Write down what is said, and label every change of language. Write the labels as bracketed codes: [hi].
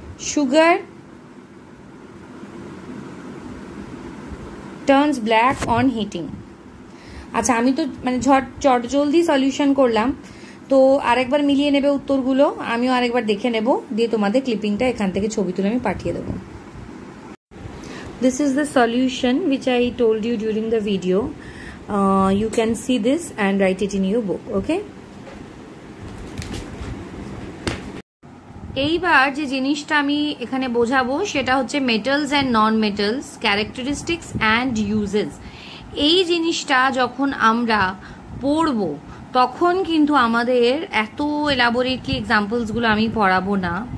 [en] Sugar turns black on heating. [bn] আচ্ছা আমি তো মানে চট জলদি সলিউশন করলাম, তো আরেকবার মিলিয়ে নেবে উত্তরগুলো, আমিও আরেকবার দেখে নেব, দিয়ে তোমাদের ক্লিপিংটা এখান থেকে ছবি তুলে আমি পাঠিয়ে দেবো। [en] this is the solution which I told you during the video. You can see this and write it in your book, okay? [bn] এইবার যে জিনিসটা আমি এখানে বোঝাবো সেটা হচ্ছে [en] Metals and non metals characteristics and uses. [bn] এই জিনিসটা যখন আমরা পড়ব তখন কিন্তু আমাদের এত এলাবোরেটলি এক্সাম্পলসগুলো আমি পড়াবো না।